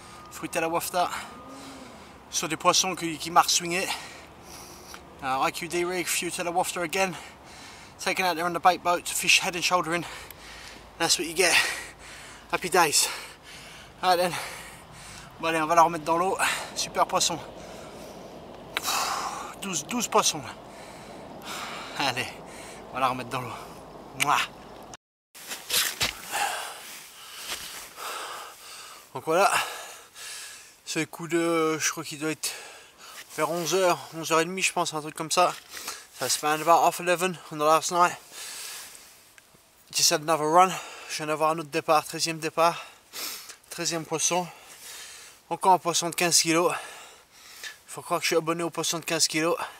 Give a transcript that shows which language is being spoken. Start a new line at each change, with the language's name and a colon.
French: Fruit à la wafta, sur des poissons qui marquent swingé.
English: IQD rig, fruit à la wafta again. Taken out there on the bait boat, fish head and shoulder in. That's what you get. Happy days. Alright then.
French: Bon allez, on va la remettre dans l'eau. Super poisson. 12 poissons. Allez, on va la remettre dans l'eau. Mouah. Donc voilà. C'est le coup de, je crois qu'il doit être vers 11h, 11h30 je pense, un truc comme ça.
English: Ça a spanned about half 11 on the last night. Just had another run.
French: Je viens d'avoir un autre départ, 13e départ. 13e poisson. Encore un poisson de 15 kg. Faut croire que je suis abonné au poisson de 15 kg.